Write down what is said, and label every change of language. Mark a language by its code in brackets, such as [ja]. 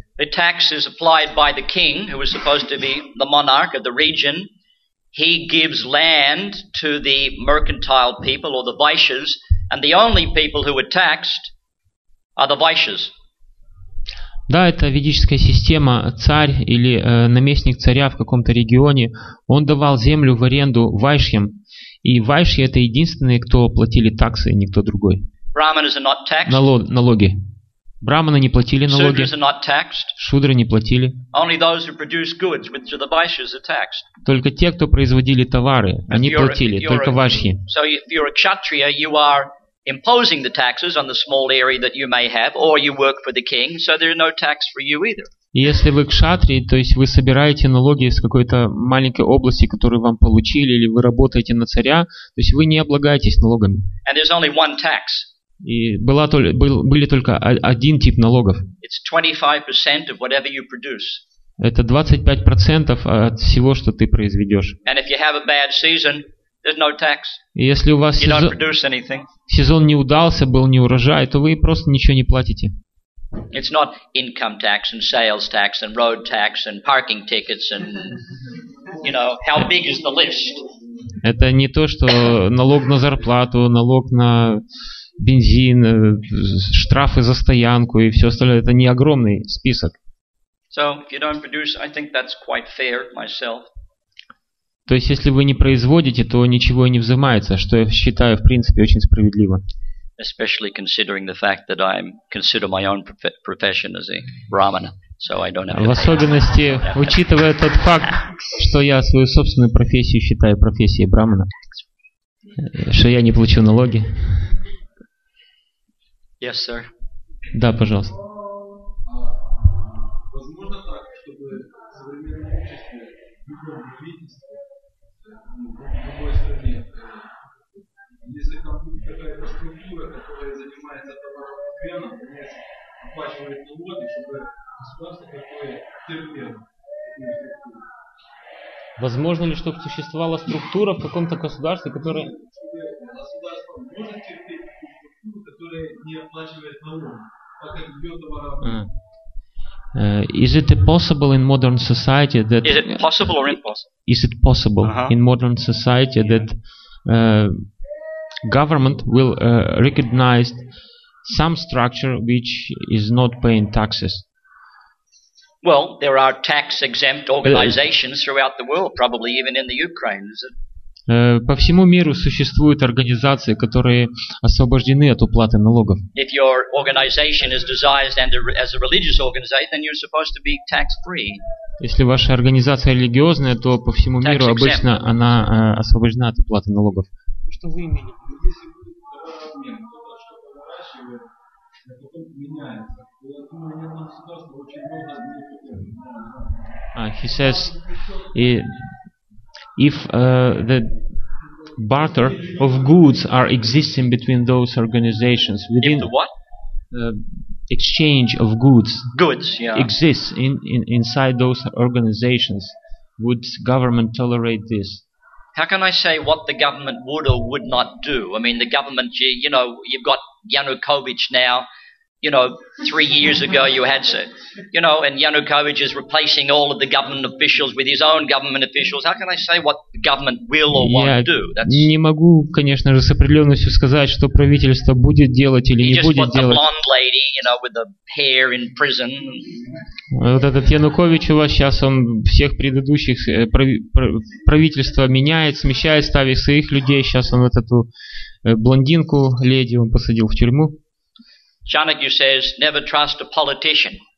[en] The tax is applied by the king, who was supposed to be the monarch of the region. He gives land to the mercantile people or the Vaishyas, and the only people who were taxed are the Vaishyas. [ru] Да, это ведическая система. Царь или наместник царя в каком-то регионе, он давал землю в аренду вайшьям. И вайшьи – это единственные, кто платили таксы, и никто другой. [en] Brahmanas are not taxed. [ru] Налоги. Брахманы не платили налоги. [en] Sudras are not taxed. [ru] Шудры не платили. [en] Only those who produce goods, which are the vaishyas, are taxed. [ru] Только те, кто производили товары, они платили, только вайшьи. [en] So if you're a kshatriya, you are imposing the taxes on the small area that you may have, or you work for the king, so there are no tax for you either. [ru] Если вы кшатрий, то есть вы собираете налоги из какой-то маленькой области, которую вам получили, или вы работаете на царя, то есть вы не облагаетесь налогами. [en] And there's only one tax. [ru] И были только один тип налогов. [en] It's 25% of whatever you produce. [ru] Это 25% от всего, что ты произведешь. [en] And if you have a bad season, there's no tax. [ru] И если у вас сезон не удался, был не урожай, то вы просто ничего не платите. [en] It's not income tax and sales tax and road tax and parking tickets and, you know, how big is the list? [ru] Это не то, что налог на зарплату, налог на бензин, штрафы за стоянку и все остальное. Это не огромный список. [en] So, if you don't produce, I think that's quite fair myself. [ru] То есть, если вы не производите, то ничего и не взимается, что я считаю, в принципе, очень справедливо. [en] Especially considering the fact that I consider my own profession as a brahmana, so I don't have. [ru] В особенности, учитывая тот факт, что я свою собственную профессию считаю профессией брахмана, что я не плачу налоги. [en] Yes, sir. [ru] Да, пожалуйста. Возможно так, чтобы современное общество выбрало правительство в другой стране. Если там будет какая-то структура, которая занимается товарообменом, оплачивает налоги, чтобы государство такое терпело. Возможно ли, чтобы существовала структура в каком-то государстве, которое... Государство может терпеть такую структуру, которая не оплачивает налоги, так как идет товарообмен. [en] Is it possible in modern society that... Is it possible or impossible? Is it possible in modern society that government will recognize some structure which is not paying taxes? Well, there are tax-exempt organizations throughout the world, probably even in the Ukraine, is it? [ru] По всему миру существуют организации, которые освобождены от уплаты налогов. [en] If your organization is designed as a religious organization, then you're supposed to be tax-free. [ru] Если ваша организация религиозная, то по всему миру обычно она освобождена от уплаты налогов. Что вы имеете? Если будет товарообмен, кто-то что-то наращивает, а потом меняется. Я думаю, что государство очень много изменит. [en] He says... If the barter of goods are existing between those organizations within if the what? Exchange of goods, goods yeah. exists inside those organizations, would government tolerate this? How can I say what the government would or would not do? I mean, the government, you know, you've got Yanukovych now. You know, 3 years ago you had, you know, and Yanukovych is replacing all of the government officials with his own government officials. How can I say what the government will or won't do? [ru] Не могу, конечно же, с определенностью сказать, что правительство будет делать или не будет делать. [en] He just put the blonde lady, you know, with the hair in prison. [ru] Вот этот Янукович у вас сейчас, он всех предыдущих правительства меняет, смещает, ставит своих людей. Сейчас он вот эту блондинку, леди, он посадил в тюрьму. [en] Chanakya says, "Never trust a politician."